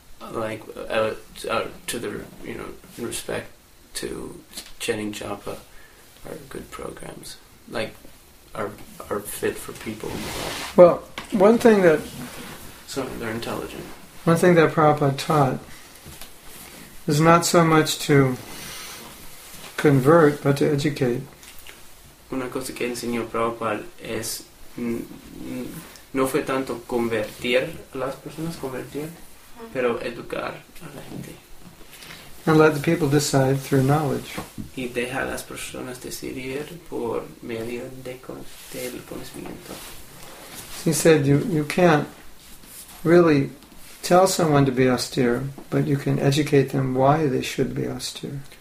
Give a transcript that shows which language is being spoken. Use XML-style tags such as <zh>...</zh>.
<en>like to the, you know, in respect to chanting japa, are good programs, like are fit for people. Well, one thing that they're intelligent. One thing that Prabhupada taught is not so much to convert, but to educate.</en> <es>Una cosa que enseñó Prabhupada es no fue tanto convertir a las personas, convertir, pero educar a la gente.</es> <en>And let the people decide through knowledge.</en> <es>Y deja a las personas decidir por medio de del conocimiento.</es> <en>He said, you can't really tell someone to be austere, but you can educate them why they should be austere.</en>